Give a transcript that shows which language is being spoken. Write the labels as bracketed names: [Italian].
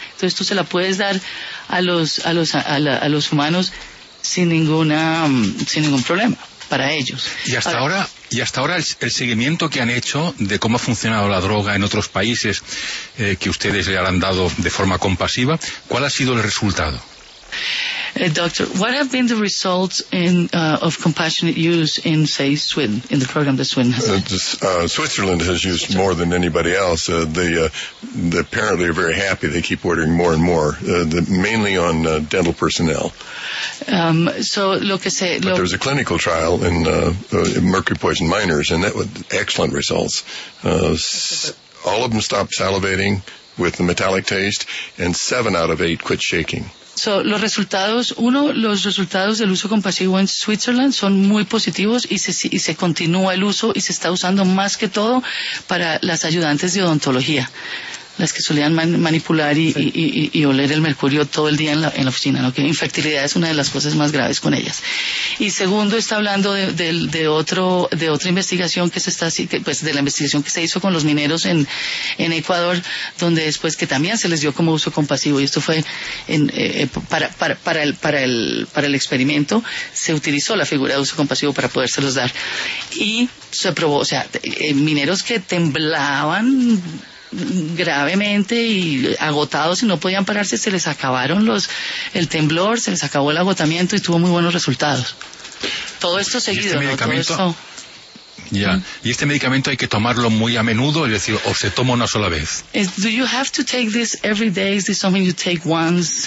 [Spanish] Entonces tú se la puedes dar a los humanos sin ningún problema para ellos. Y hasta ahora... Y hasta ahora el seguimiento que han hecho de cómo ha funcionado la droga en otros países que ustedes le han dado de forma compasiva, ¿cuál ha sido el resultado? [English] Doctor, what have been the results of compassionate use in, say, Sweden, in the program that Sweden has? Switzerland has used more than anybody else. They apparently are very happy. They keep ordering more and more, mainly on dental personnel. But there was a clinical trial in mercury poison miners, and that was excellent results. All of them stopped salivating with the metallic taste, and 7 out of 8 quit shaking. [Spanish] So, los resultados del uso compasivo en Switzerland son muy positivos y se continúa el uso y se está usando más que todo para las ayudantes de odontología. las que solían manipular y, sí. Y oler el mercurio todo el día en la oficina, ¿no? Que infertilidad es una de las cosas más graves con ellas. Y segundo, está hablando de otra investigación que se está, pues de la investigación que se hizo con los mineros en Ecuador, donde después que también se les dio como uso compasivo, y esto fue para el experimento, se utilizó la figura de uso compasivo para podérselos dar. Y se probó, o sea, mineros que temblaban gravemente y agotados y no podían pararse, se les acabaron el temblor, se les acabó el agotamiento y tuvo muy buenos resultados. Todo esto seguido, este medicamento, ¿no? Ya. ¿Y este medicamento hay que tomarlo muy a menudo, es decir, o se toma una sola vez? [English] Do you have to take this every day? Is this something you take once?